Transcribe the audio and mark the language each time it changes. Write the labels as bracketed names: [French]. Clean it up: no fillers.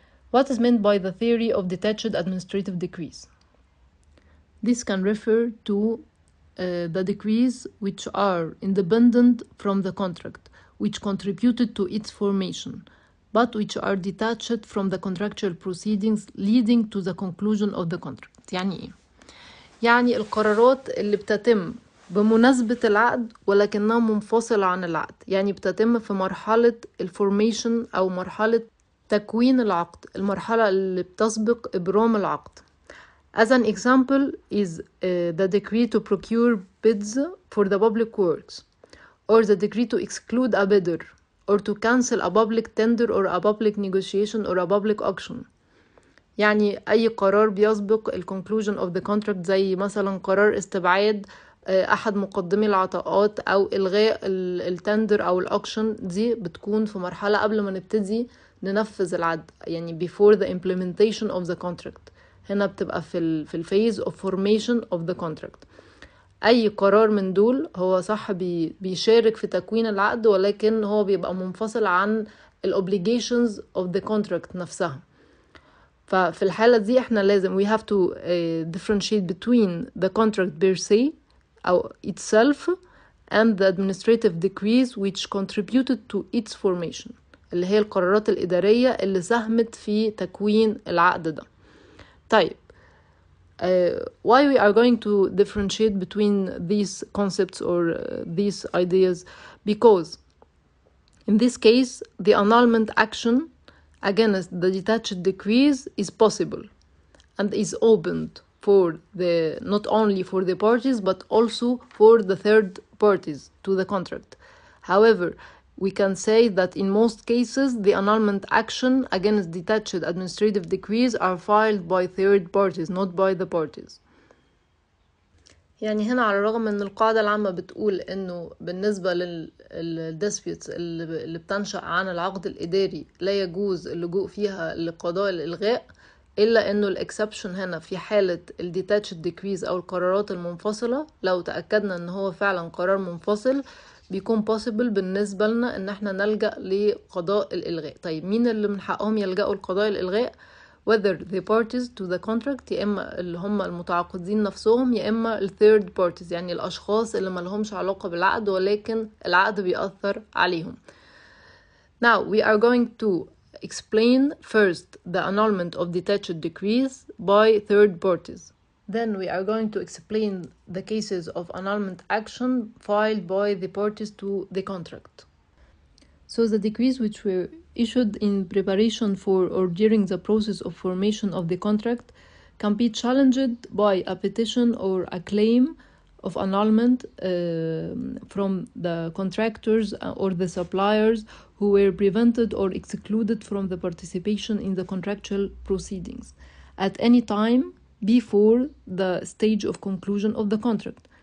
[English] What is meant by the theory of detached administrative decrees? This can refer to the decrees which are independent from the contract, which contributed to its formation, but which are detached from the contractual proceedings leading to the conclusion of the contract. [Arabic] يعني إيه؟ يعني القرارات اللي بتتم بمناسبة العقد ولكنها منفصلة عن العقد، يعني بتتم في مرحلة الفورميشن أو مرحلة تكوين العقد، المرحلة اللي بتسبق إبرام العقد. As an example is the decree to procure bids for the public works, or the decree to exclude a bidder, or to cancel a public tender or a public negotiation or a public auction. يعني أي قرار بيسبق الـ [English] conclusion of the contract، [Arabic] زي مثلاً قرار استبعاد أحد مقدمي العطاءات أو إلغاء الـ tender أو الـ auction، دي بتكون في مرحلة قبل ما نبتدي ننفذ العقد، يعني [English] before the implementation of the contract. [Arabic] هنا بتبقى في الـ [English] phase of formation of the contract. [Arabic] أي قرار من دول هو صح بيشارك في تكوين العقد، ولكن هو بيبقى منفصل عن الـ [English] obligations of the contract [Arabic] نفسها. ففي الحالة دي احنا لازم [English] we have to differentiate between the contract per se أو itself and the administrative decrees which contributed to its formation، [Arabic] اللي هي القرارات الإدارية اللي ساهمت في تكوين العقد ده. [English] طيب why we are going to differentiate between these concepts or these ideas? Because in this case the annulment action against the detached decrees is possible and is opened for the not only for the parties but also for the third parties to the contract. However, we can say that in most cases the annulment action against detached administrative decrees are filed by third parties not by the parties. [Arabic] يعني هنا على الرغم ان القاعدة العامة بتقول انه بالنسبة للديسبيوتس اللي بتنشأ عن العقد الإداري لا يجوز اللجوء فيها لقضاء الإلغاء، إلا انه الاكسبشن هنا في حالة الديتاتشد ديكريز أو القرارات المنفصلة، لو تأكدنا ان هو فعلا قرار منفصل بيكون possible بالنسبة لنا ان احنا نلجأ لقضاء الإلغاء. طيب مين اللي من حقهم يلجأوا لقضاء الإلغاء؟ [English] whether the parties to the contract، [Arabic] يا إما اللي هم المتعاقدين نفسهم، يا إما ال third parties يعني الأشخاص اللي ملهمش علاقة بالعقد ولكن العقد بيأثر عليهم. [English] Now we are going to explain first the annulment of detached decrees by third parties. Then we are going to explain the cases of annulment action filed by the parties to the contract. So the decrees which were issued in preparation for or during the process of formation of the contract can be challenged by a petition or a claim of annulment from the contractors or the suppliers who were prevented or excluded from the participation in the contractual proceedings at any time before the stage of conclusion of the contract.